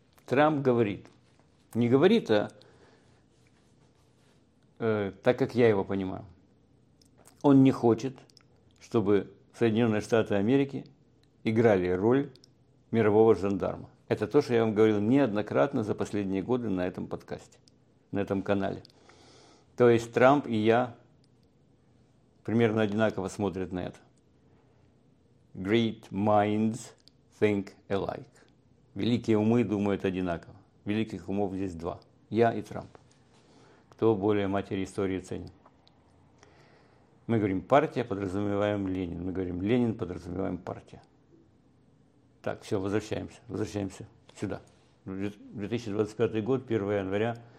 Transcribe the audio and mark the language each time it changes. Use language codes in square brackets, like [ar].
[ru] Трамп говорит, не говорит, а так как я его понимаю, он не хочет, чтобы Соединенные Штаты Америки играли роль мирового жандарма. Это то, что я вам говорил неоднократно за последние годы на этом подкасте, на этом канале. То есть Трамп и я примерно одинаково смотрят на это. [en] Great minds think alike. [ru] Великие умы думают одинаково. Великих умов здесь два. Я и Трамп. Кто более матери истории ценен. Мы говорим партия, подразумеваем Ленин. Мы говорим Ленин, подразумеваем партия. Так, все, возвращаемся. Возвращаемся сюда. 2025 год, 1 января.